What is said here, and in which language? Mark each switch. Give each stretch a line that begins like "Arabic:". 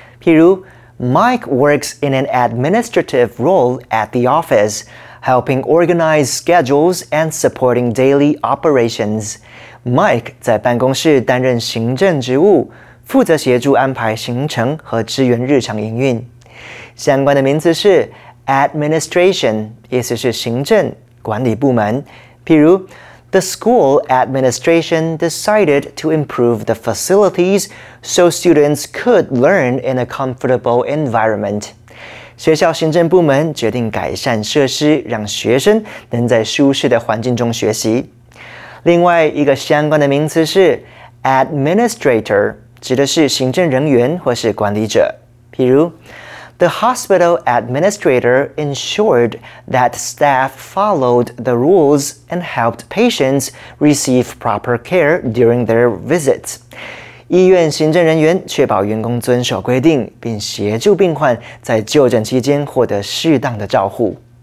Chinese: 譬如
English: Mike works in an administrative role at the office, helping organize schedules and supporting daily operations.
Chinese: Mike 在办公室担任行政职务，负责协助安排行程和支援日常营运。相关的名词是 administration, 意思是行政管理部门。譬如
English: The school administration decided to improve the facilities so students could learn in a comfortable environment.
Chinese: 学校行政部门决定改善设施，让学生能在舒适的环境中学习。另外一个相关的名词是 administrator， 指的是行政人员或是管理者。譬如
English: The hospital administrator ensured that staff followed the rules and helped patients receive proper care during their visits。
Chinese: 医院行政人员确保员工遵守规定，并协助病患在就诊期间获得适当的照护。